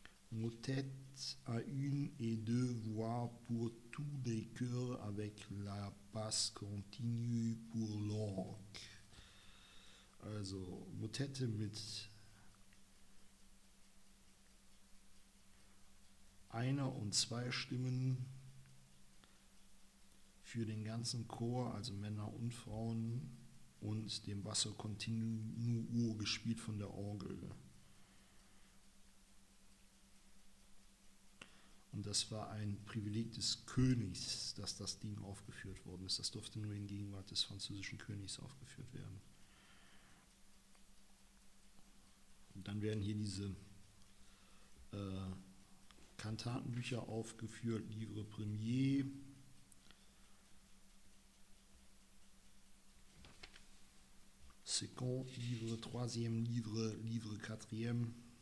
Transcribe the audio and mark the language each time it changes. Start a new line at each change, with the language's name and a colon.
French: Motette à une et deux voix pour tous les chœurs avec la basse continue pour l'orgue.
German: Also Motette mit einer und zwei Stimmen für den ganzen Chor, also Männer und Frauen, und dem basso continuo gespielt von der Orgel. Und das war ein Privileg des Königs, dass das Ding aufgeführt worden ist. Das durfte nur in Gegenwart des französischen Königs aufgeführt werden. Und dann werden hier diese Kantatenbücher aufgeführt, Livre Premier.
French: Second Livre, Troisième Livre, Livre Quatrième.